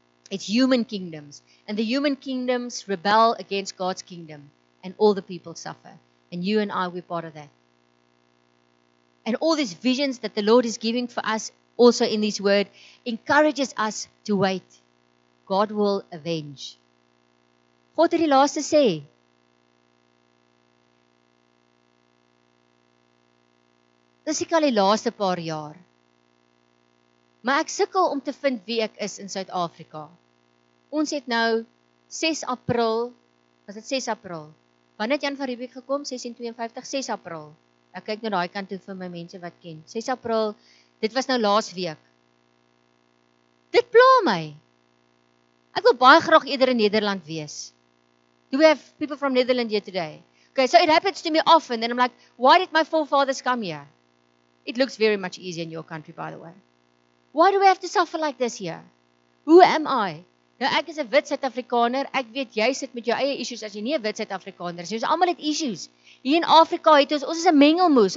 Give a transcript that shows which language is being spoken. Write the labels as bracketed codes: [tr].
[en] It's human kingdoms. And the human kingdoms rebel against God's kingdom and all the people suffer. And you and I, we're part of that. And all these visions that the Lord is giving for us also in this word encourages us to wait. God will avenge. [af] God die laaste sê, dis ek al die laaste paar jaar. Maar ek sukkel om te vind wie ek is in Suid-Afrika. Ons het nou 6 April, was dit 6 April? Wanneer het Jan van Riebeeck gekom? 1652, 6 April. Ek kyk nou daai kant toe vir my mense wat ken. 6 April, dit was nou laas week. Dit pla my. Ek wil baie graag eerder in Nederland wees. [en] Do we have people from Netherland here today? Okay, so it happens to me often, and I'm like, why did my forefathers come here? It looks very much easier in your country, by the way. Why do we have to suffer like this here? Who am I? [af] Nou, ek is 'n wit Suid-Afrikaner. Ek weet jy sit met jou eie issues as jy nie 'n wit Suid-Afrikaner is. Ons almal het issues. Hier in Afrika het ons is 'n mengelmoes.